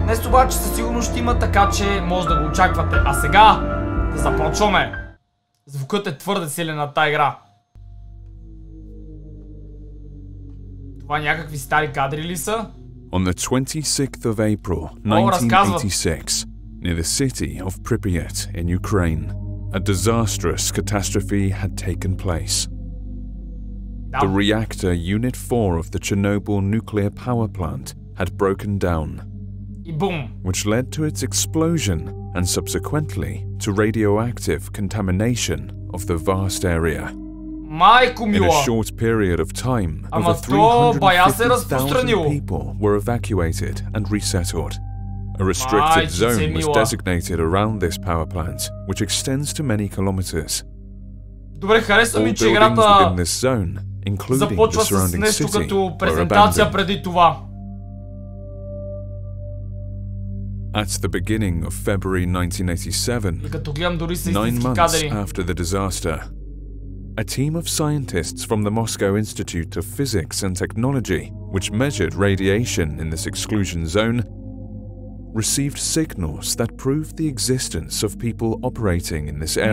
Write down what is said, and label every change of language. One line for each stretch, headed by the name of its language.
Bulgarian: Днес обаче със сигурност ще има, така че може да го очаквате. А сега, да започваме. Звукът е твърде силен на тази игра. Това някакви стари кадри ли са?
English: On the 26th of April, 1986, near the city of Pripyat in Ukraine, a disastrous catastrophe had taken place. The reactor unit 4 of the Chernobyl nuclear power plant had broken down, which led to its explosion and subsequently to radioactive contamination of the vast area.
Bulgarian: Майко мила!
English: In a short period of time, over 350,000 people were evacuated and resettled. A restricted zone was designated around this power plant, which extends to many kilometers.
Bulgarian: Добре, хареса ми, че играта започва с нещо като презентация преди това.
English: At the beginning of February 1987, 9 months after the disaster, a team of scientists from the Moscow Institute of Physics and Technology, which measured radiation in this exclusion zone, received signals that proved the existence of people operating in this area.